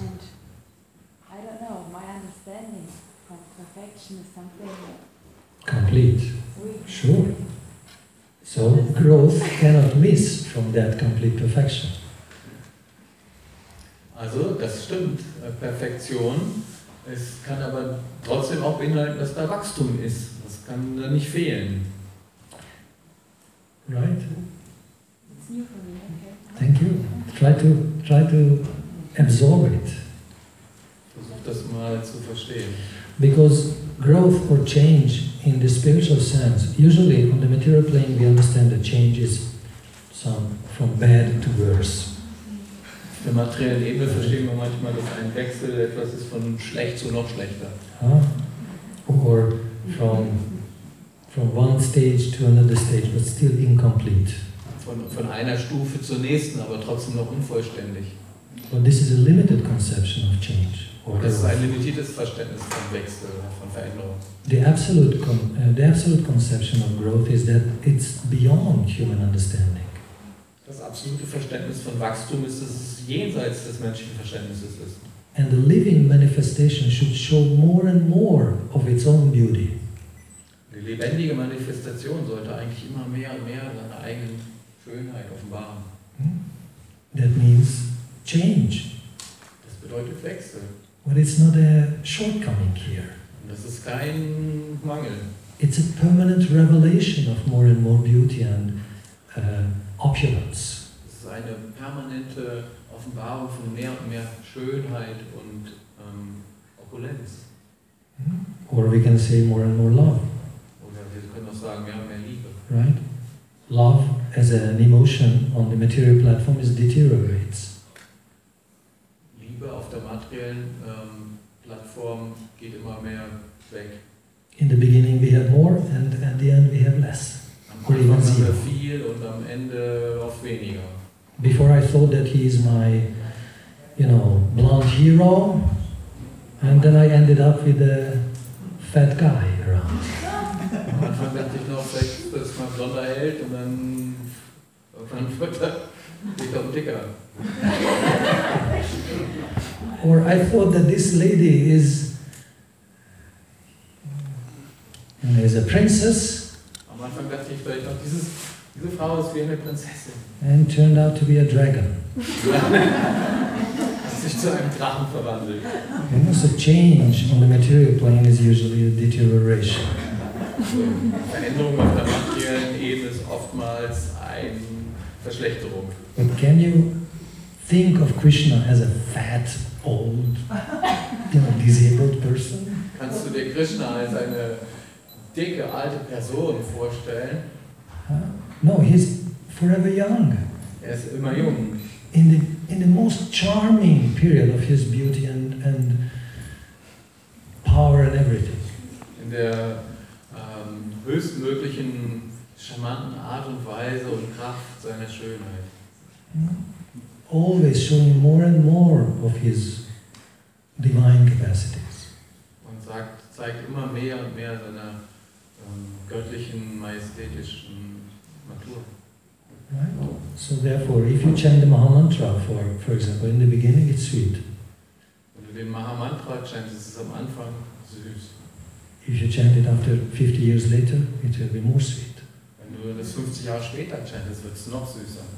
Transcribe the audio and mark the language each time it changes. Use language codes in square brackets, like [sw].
[en] And I don't know, my understanding of perfection is something that complete. Sure. So growth cannot miss from that complete perfection. [de] Also, das stimmt. Perfektion. Es kann aber trotzdem auch beinhalten, dass da Wachstum ist. Das kann da nicht fehlen. [en] Right? It's new for me, okay. Thank you. Try to absorb it. [de] Versuch das mal zu verstehen. [en] Because growth or change in the spiritual sense, usually on the material plane we understand that change is some from bad to worse. [de] Auf der materiellen Ebene verstehen wir manchmal, dass ein Wechsel etwas ist von schlecht zu noch schlechter. [en] Or from one stage to another stage, but still incomplete. [de] Von einer Stufe zur nächsten, aber trotzdem noch unvollständig. [en] But this is a limited conception of change. [de] Das ist ein limitiertes Verständnis von Wechsel, von Veränderung. [en] The absolute conception of growth is that it's beyond human understanding. [de] Das absolute Verständnis von Wachstum ist, dass es jenseits des menschlichen Verständnisses ist. [en] And the living manifestation should show more and more of its own beauty. [de] Die lebendige Manifestation sollte eigentlich immer mehr und mehr seine eigene Schönheit offenbaren. [en] That means change. [de] Das bedeutet Wechsel. [en] But it's not a shortcoming here. [de] Und das ist kein Mangel. [en] it's a permanent revelation of more and more beauty and opulence. [de] Es ist eine permanente Offenbarung von mehr und mehr Schönheit und Opulenz. [en] Or we can say more and more love. [de] Oder wir können auch sagen mehr und mehr Liebe. [en] Right? Love as an emotion on the material platform is deteriorates. [de] Liebe auf der materiellen Plattform geht immer mehr weg. [en] In the beginning we have more and at the end we have less. [de] Am Anfang haben wir viel und am Ende oft weniger. [en] Before I thought that he is my, you know, blonde hero, and then I ended up with a fat guy around. [de] Am Anfang dachte ich noch, vielleicht ist mein blonder Held und dann irgendwann wird er dicker und dicker. [en] Or I thought that this lady is, you know, is a princess. [de] Am Anfang dachte ich vielleicht noch, diese Frau ist wie eine Prinzessin. [en] And turned out to be a dragon. [de] Sich zu einem Drachen verwandelt. [en] You know, so change on the material plane is usually a deterioration. [de] Veränderung auf der materiellen Ebene ist oftmals eine Verschlechterung. [en] But can you think of Krishna as a fat, old, you know, disabled person? [de] Kannst du dir Krishna als eine dicke, alte Person vorstellen? [en] Huh? No, he's forever young. [de] Er ist immer jung. [en] In the most charming period of his beauty and power and everything. [de] In der höchstmöglichen, charmanten Art und Weise und Kraft seiner Schönheit. [en] Always showing more and more of his divine capacities. [de] Und zeigt immer mehr und mehr seiner göttlichen, majestätischen Natur. [en] Right. So therefore, if you chant the Mahamantra, for example, in the beginning, it's sweet. [de] Wenn du den Mahamantra chantest, ist es am Anfang süß. [en] If you chant it after 50 years later, it will be more sweet. [de] Wenn du das 50 Jahre später chantest, wird es noch süßer.